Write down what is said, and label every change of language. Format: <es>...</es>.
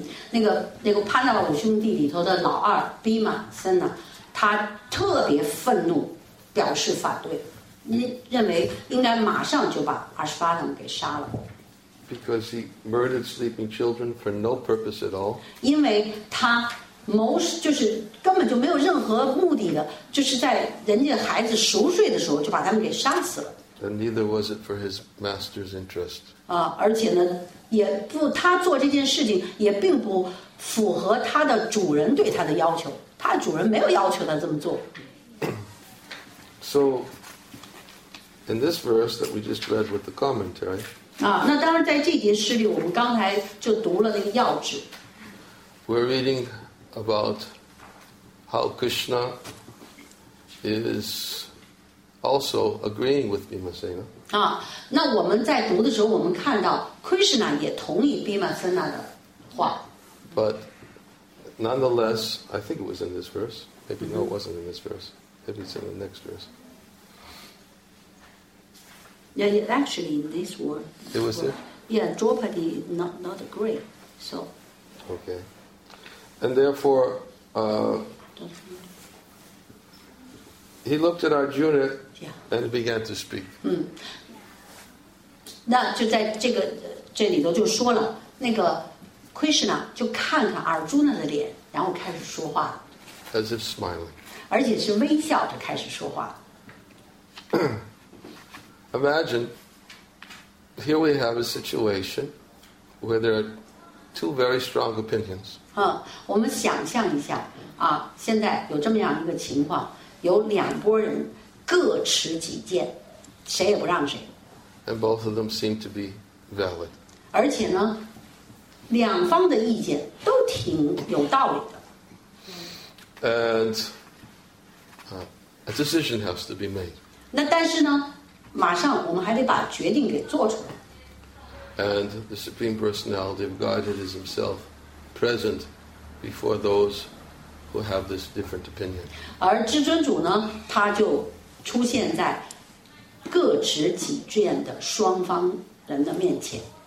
<zh>那个 Pandava 五兄弟里头的老二 Bhimasena 他特别愤怒，表示反对，认为应该马上就把阿什巴他们给杀了。</zh> <en>Because he murdered sleeping children for no purpose at all.</en> <zh>因为他谋就是根本就没有任何目的的，就是在人家孩子熟睡的时候就把他们给杀死了。</zh> <en>And neither was it for his master's interest.</en> <zh>而且呢，也不他做这件事情也并不符合他的主人对他的要求，他主人没有要求他这么做。</zh> <en>So, in this verse that we just read with the commentary.</en> <zh>那当然在这节诗里，我们刚才就读了那个要旨。</zh> <en>We're reading. About how Krishna is also agreeing with Bhimasena.</en> <zh>那我们在读的时候，我们看到 Krishna 也同意 Bhimasena 的话。</zh> <en>But nonetheless, I think it was in this verse. Maybe no, it wasn't in this verse. Maybe it's in the next verse. Yeah, actually, in this verse. It was there. Yeah, Draupadi not agree. So. Okay. And therefore, he looked at Arjuna and began to speak.</en> <zh>那就在这里头就说了，那个 Krishna 就看看 Arjuna 的脸，然后开始说话。</zh> <en>As if smiling.</en> <zh>而且是微笑着开始说话。</zh> <en>Imagine, here we have a situation where there are two very strong opinions.</en> <zh>我们想象一下现在有这么样一个情况，有两拨人各持己见，谁也不让谁。</zh> <en>And both of them seem to be valid.</en> <zh>而且呢，两方的意见都挺有道理的。</zh> <en>And a decision has to be made.</en> <zh>那但是呢，马上我们还得把决定给做出来。</zh> <en>And the Supreme Personality of Godhead is himself. Present before those who have this different opinion.</en> <zh>而至尊主呢，他就出现在各持己见的双方人的面前。</zh>